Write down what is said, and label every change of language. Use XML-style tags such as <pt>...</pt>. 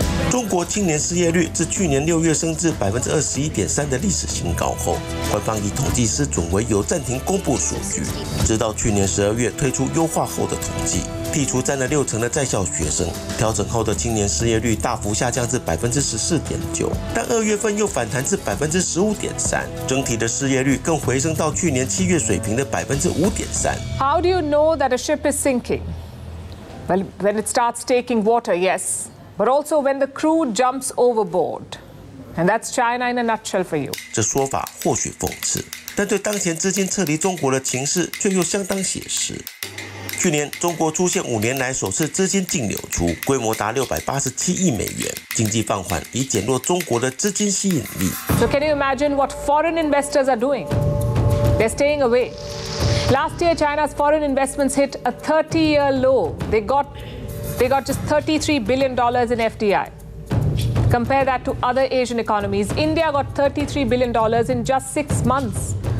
<zh>中国青年失业率自去年6月升至21.3%的历史新高后，官方以统计师准为由暂停公布数据，直到去年12月推出优化后的统计，剔除占了60%的在校学生，调整后的青年失业率大幅下降至14.9%，但二月份又反弹至15.3%，整体的失业率更回升到去年7月水平的5.3%。</zh> <en>How do you know that a ship is sinking? Well, when it starts taking water, yes. But also when the crew jumps overboard. And that's China in a nutshell for you.</en> <zh>这说法或许讽刺，但对当前资金撤离中国的情势却又相当写实。去年中国出现5年来首次资金净流出，规模达687亿美元，经济放缓以减弱中国的资金吸引力。</zh> <en>So can you imagine what foreign investors are doing? They're staying away. Last year, China's foreign investments hit a 30-year low. They got just $33 billion in FDI. Compare that to other Asian economies. India got $33 billion in just 6 months.</en>